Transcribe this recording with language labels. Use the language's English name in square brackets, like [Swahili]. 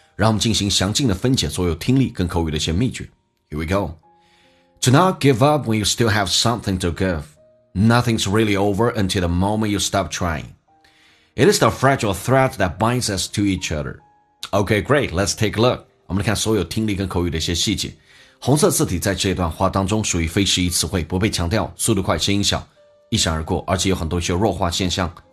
[Chinese] 让我们进行详尽的分解，所有听力跟口语的一些秘诀。 [English] Here we go. Do not give up when you still have something to give. Nothing's really over until the moment you stop trying. It is the fragile thread that binds us to each other. Okay, great. Let's take a look. [Chinese] 我们来看所有听力跟口语的一些细节。红色字体在这段话当中属于非时宜词汇，不被强调，速度快，声音小，一闪而过，而且有很多一些弱化现象。